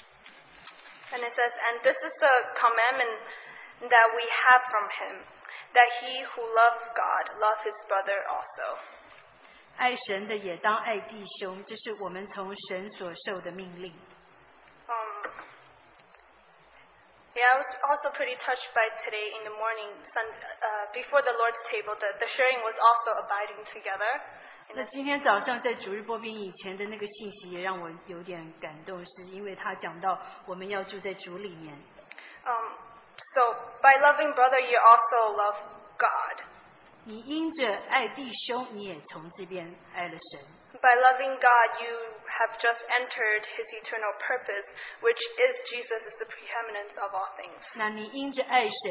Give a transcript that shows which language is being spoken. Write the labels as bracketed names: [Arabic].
[English] it says, "And this is the commandment that we have from him, that he who loves God loves his brother also." [Chinese] 爱神的也当爱弟兄，这是我们从神所受的命令。 [English] Yeah, I was also pretty touched by today in the morning, before the Lord's table, the sharing was also abiding together. [Chinese] 那今天早上在主日播饼以前的那个信息也让我有点感动，是因为他讲到我们要住在主里面。 [English] So, by loving brother, you also love God. [Chinese] 你因着爱弟兄，你也从这边爱了神。 [English] By loving God, you have just entered His eternal purpose, which is Jesus is the preeminence of all things.